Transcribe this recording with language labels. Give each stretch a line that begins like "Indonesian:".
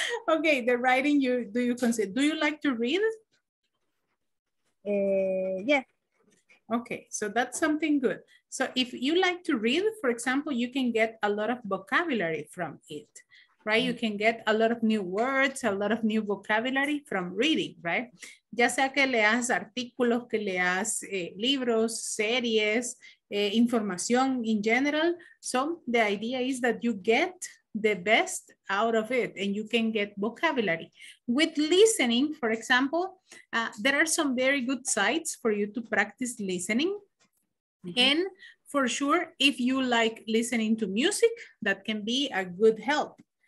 English: Okay, the writing, do you like to read? Yeah. Okay, so that's something good. So if you like to read, for example, you can get a lot of vocabulary from it, right? You can get a lot of new words, a lot of new vocabulary from reading, right?
Spanish: Ya sea que leas artículos, que leas libros, series, información
English: in general. So the idea is that you get the best out of it and you can get vocabulary. With listening, for example, there are some very good sites for you to practice listening. Mm-hmm. And for sure, if you like listening to music, that can be a good help.